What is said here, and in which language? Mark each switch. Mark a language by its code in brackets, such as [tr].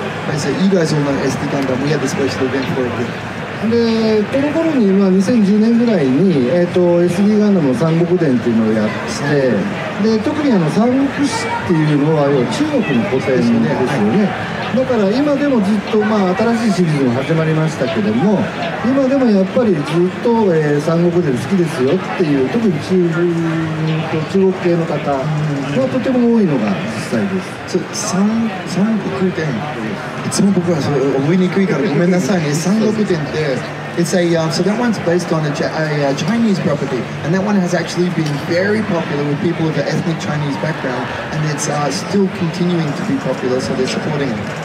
[en] I said, you guys all know SD Gundam, we had a special event for it. [ja] で、この頃に、まあ、2010年ぐらいに、SD Gundam の三国伝っていうのをやって、で特にあの三国志っていうのは要は中国の古典ですよね、はい、だから今でもずっと、まあ、新しいシリーズも始まりましたけども、今でもやっぱりずっと、三国志好きですよっていう、特に中国系の方はとても多いのが実際です。三国伝、いつも僕はそれ覚えにくいからごめんなさいね。 [en] 三国伝って It's a, so that one's based on a Chinese property, and that one has actually been very popular with people of an ethnic Chinese background, and it's still continuing to be popular, so they're supporting it.